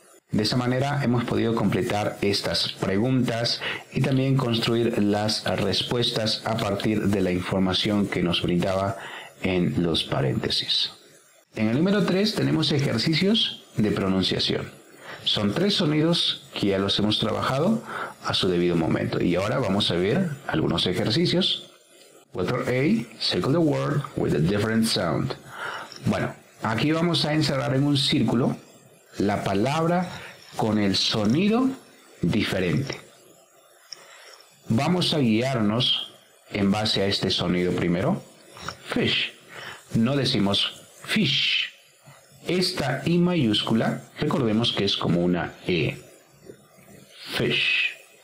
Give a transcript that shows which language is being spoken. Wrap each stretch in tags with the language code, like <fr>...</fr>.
<es>De esa manera hemos podido completar estas preguntas y también construir las respuestas a partir de la información que nos brindaba en los paréntesis. En el número 3 tenemos ejercicios de pronunciación. Son tres sonidos que ya los hemos trabajado a su debido momento. Y ahora vamos a ver algunos ejercicios.</es> <en>Letter A, circle the word with a different sound.</en> <es>Bueno, aquí vamos a encerrar en un círculo la palabra con el sonido diferente. Vamos a guiarnos en base a este sonido primero. Fish. No decimos fish. Esta I mayúscula, recordemos que es como una E. Fish.</es>